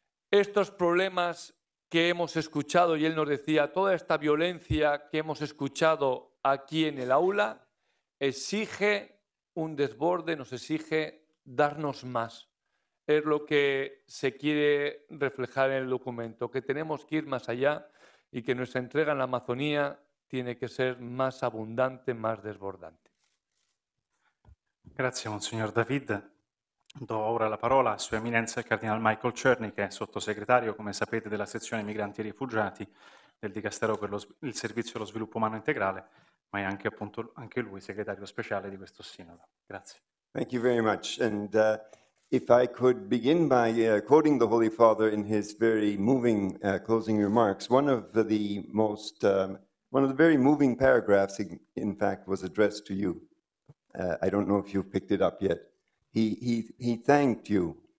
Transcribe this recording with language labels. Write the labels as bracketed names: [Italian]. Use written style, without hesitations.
[Spanish] Estos problemas que hemos escuchado, y él nos decía, toda esta violencia que hemos escuchado aquí en el aula, exige un desborde, nos exige darnos más. Es lo que se quiere reflejar en el documento, que tenemos que ir más allá y que nuestra entrega en la Amazonía tiene que ser más abundante, más desbordante. Gracias, Monseñor David. [Italian] Do ora la parola a Sua Eminenza il Cardinal Michael Czerny, che è sottosegretario, come sapete, della sezione Migranti e Rifugiati del Dicastero per il Servizio allo Sviluppo Umano Integrale, ma è anche appunto anche lui segretario speciale di questo sinodo. Grazie. [English] Thank you very much. And if I could begin by quoting the Holy Father in his very moving closing remarks, one of the very moving paragraphs in fact was addressed to you. I don't know if you've picked it up yet. He thanked you.